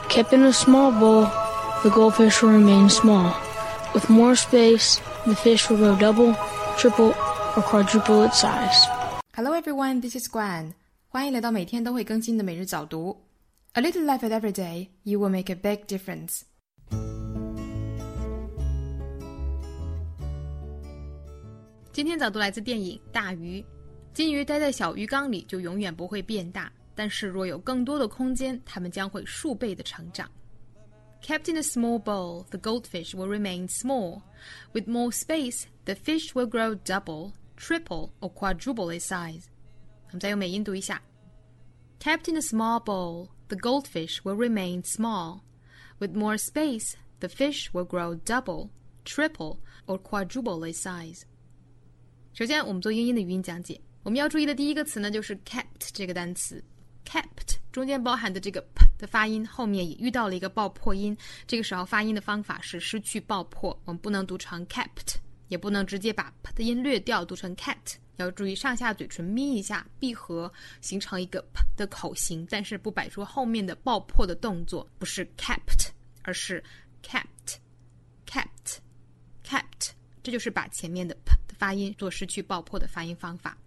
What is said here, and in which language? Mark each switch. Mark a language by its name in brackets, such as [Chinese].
[English] Kept in a small bowl, the goldfish will remain small. With more space, the fish will grow double, triple, or quadruple its size. Hello everyone, this is Gwen. [Chinese] 欢迎来到每天都会更新的每日早读。 [English] A little effort every day, you will make a big difference. [Chinese] 今天早读来自电影《大鱼》。金鱼待在小鱼缸里就永远不会变大，但是若有更多的空间，它们将会数倍的成长。 [English] Kept in a small bowl, the goldfish will remain small. With more space, the fish will grow double, triple, or quadruple its size. [Chinese] 我们再用美音读一下。 [English] Kept in a small bowl, the goldfish will remain small. With more space, the fish will grow double, triple, or quadruple its size. [Chinese] 首先我们做英音的语音讲解。我们要注意的第一个词呢，就是 kept 这个单词。 kept 中间包含的这个 p 的发音，后面也遇到了一个爆破音，这个时候发音的方法是失去爆破，我们不能读成 kept， 也不能直接把 p 的音略掉读成 kept， 要注意上下嘴唇眯一下闭合，形成一个 p 的口型，但是不摆出后面的爆破的动作，不是 kept， 而是 kept kept kept， 这就是把前面的 p 的发音做失去爆破的发音方法。